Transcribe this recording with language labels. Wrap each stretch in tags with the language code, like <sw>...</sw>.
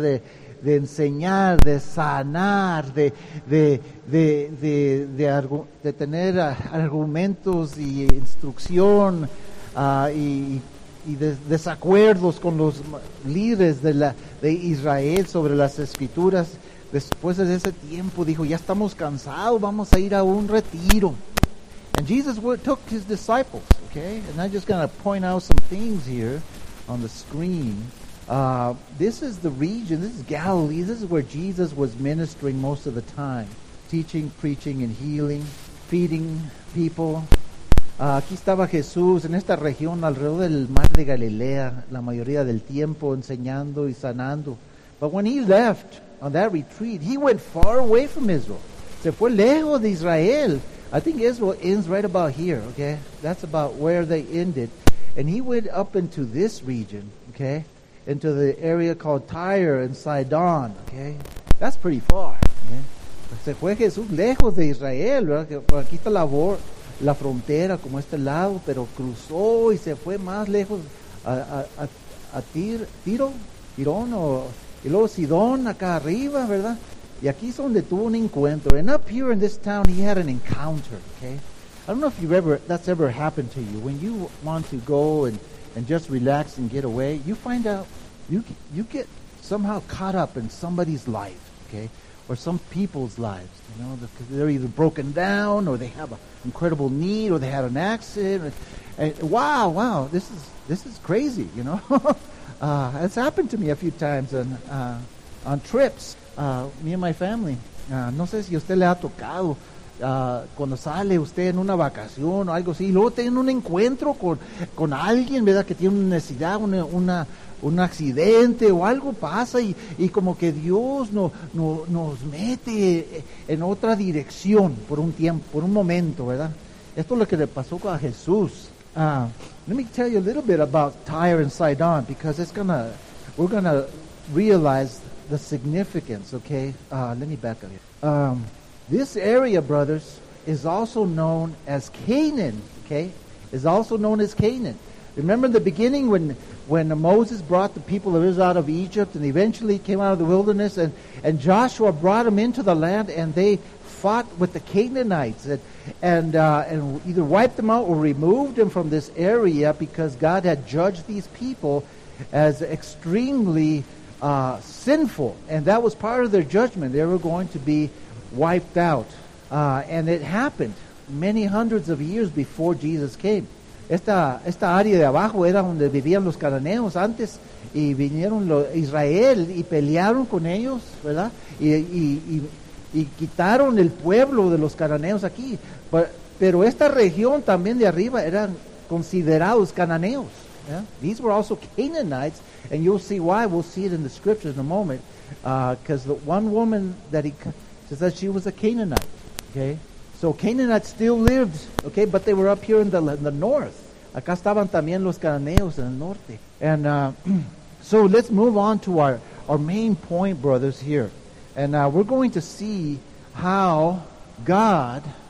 <es>De enseñar, de sanar, de tener argumentos y instrucción y desacuerdos con los líderes de Israel sobre las escrituras. Después de ese tiempo dijo, ya estamos cansados, vamos a ir a un retiro.</es> <en>And Jesus took his disciples, okay? And I'm just going to point out some things here on the screen. This is the region, this is Galilee, this is where Jesus was ministering most of the time. Teaching, preaching, and healing, feeding people.</en> <es>Aquí estaba Jesús en esta región alrededor del mar de Galilea, la mayoría del tiempo enseñando y sanando.</es> <en>But when he left on that retreat, he went far away from Israel.</en> <es>Se fue lejos de Israel.</es> <en>I think Israel ends right about here, okay? That's about where they ended. And he went up into this region, okay? Into the area called Tyre and Sidon, okay? That's pretty far, okay?</en> <es>Se fue Jesús lejos de Israel, ¿verdad? Aquí está la frontera, como este lado, pero cruzó y se fue más lejos a Tirón, o, y luego Sidón, acá arriba, ¿verdad? Y aquí es donde tuvo un encuentro.</es> <en>And up here in this town, he had an encounter, okay? I don't know if that's ever happened to you. When you want to go and just relax and get away, you find out, you get somehow caught up in somebody's life, okay? Or some people's lives, you know? They're either broken down, or they have an incredible need, or they had an accident. And wow, this is crazy, you know? It's happened to me a few times on trips. Me and my family.</en> <es>No sé si usted le ha tocado cuando sale usted en una vacación o algo así, y luego tiene un encuentro con alguien, ¿verdad? Que tiene una necesidad, un accidente o algo pasa y como que Dios nos mete en otra dirección por un tiempo, por un momento, ¿verdad? Esto es lo que le pasó a Jesús.</es> <en>Let me tell you a little bit about Tyre and Sidon because we're gonna realize the significance, okay? Let me back up here. This area, brothers, is also known as Canaan, okay? Is also known as Canaan. Remember the beginning when Moses brought the people of Israel out of Egypt and eventually came out of the wilderness and Joshua brought them into the land and they fought with the Canaanites and either wiped them out or removed them from this area because God had judged these people as extremely sinful, and that was part of their judgment. They were going to be wiped out, and it happened many hundreds of years before Jesus came.</en> <es>Esta área de abajo era donde vivían los cananeos antes, y vinieron los Israel y pelearon con ellos, ¿verdad? Y quitaron el pueblo de los cananeos aquí. Pero esta región también de arriba eran considerados cananeos.</es> <en>Yeah? These were also Canaanites, and you'll see why. We'll see it in the scriptures in a moment, because the one woman that he says that she was a Canaanite. Okay, so Canaanites still lived. Okay, but they were up here in the north.</en> <es>Acá estaban también los cananeos en el norte.</es> <en>And so let's move on to our main point, brothers, here, and we're going to see how God.</en>